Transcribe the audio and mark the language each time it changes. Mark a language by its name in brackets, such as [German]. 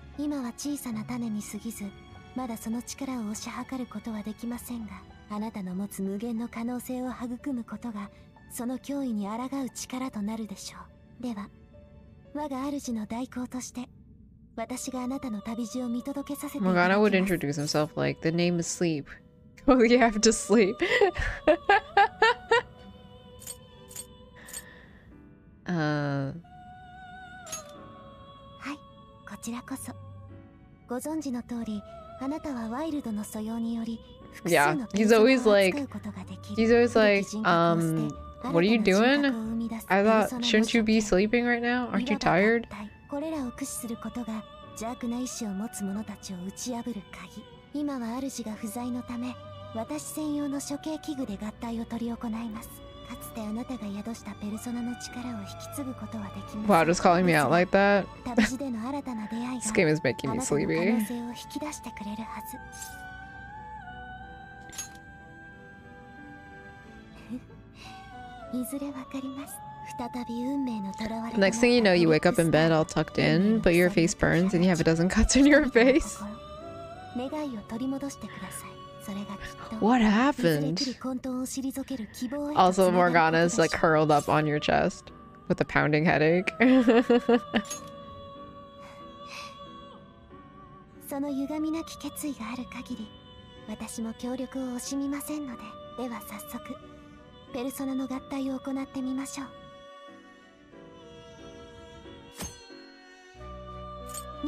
[Japanese] 今は小さな種に過ぎず、まだその力を押し量ることはできませんが、あなたの持つ無限の可能性を育むことが、その脅威に抗う力となるでしょう。では、我が主の代行として、私があなたの旅路を見届けさせていただきます。 [English] Oh my god, I would introduce himself like, the name is Sleep. Well, you have to sleep. [Japanese] はい、こちらこそ。ご存知の通り、あなたはワイルドの素養により、 [English] Yeah, he's always like, what are you doing? I thought, shouldn't you be sleeping right now? Aren't you tired? [Japanese] これらを駆使することが邪悪な意志を持つ者たちを打ち破る鍵。今は主が不在のため、私専用の処刑器具で合体を取り行います。かつてあなたが宿したペルソナの力を引き継ぐことはできません。 [English] Wow, just calling me out like that. [Japanese] 旅路での新たな出会いが、 [English] This game is making me sleepy. [Japanese] あなたの可能性を引き出してくれるはず。いずれわかります。再び運命の囚われ。 [English] Next thing you know, you wake up in bed all tucked in, but your face burns and you have a dozen cuts in your face. [Japanese] 願いを取り戻してください。それがきっと。 [English] What happened? [Japanese] いずれ来る混沌を退ける希望へ。 [English] Also, Morgana is like curled up on your chest with a pounding headache. [Japanese] その歪みなき決意がある限り、私も協力を惜しみませんので、では早速。ペルソナの合体を行ってみましょう。